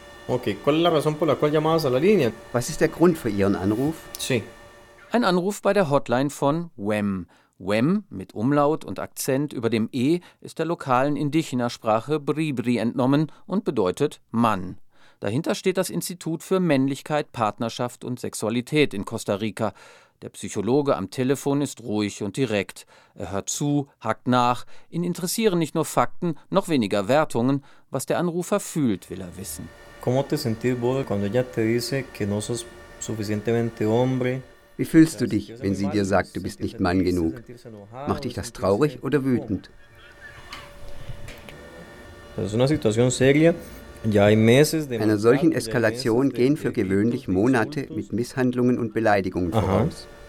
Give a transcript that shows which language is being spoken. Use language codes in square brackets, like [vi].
[es] Okay, ¿cuál es la razón por la cual llamabas a la línea? [de] Was ist der Grund für Ihren Anruf? [es] Sí. [de] Ein Anruf bei der Hotline von WEM. WEM mit Umlaut und Akzent über dem E ist der lokalen indigener Sprache Bribri entnommen und bedeutet Mann. Dahinter steht das Institut für Männlichkeit, Partnerschaft und Sexualität in Costa Rica. Der Psychologe am Telefon ist ruhig und direkt. Er hört zu, hakt nach. Ihn interessieren nicht nur Fakten, noch weniger Wertungen. Was der Anrufer fühlt, will er wissen. [es] ¿Cómo te sentís vos cuando ella te dice que no sos suficientemente hombre? [de] Wie fühlst du dich, wenn sie dir sagt, du bist nicht Mann genug? Macht dich das traurig oder wütend? Das ist eine Situation [es] seria. [de] Einer solchen Eskalation gehen für gewöhnlich Monate mit Misshandlungen und Beleidigungen voraus.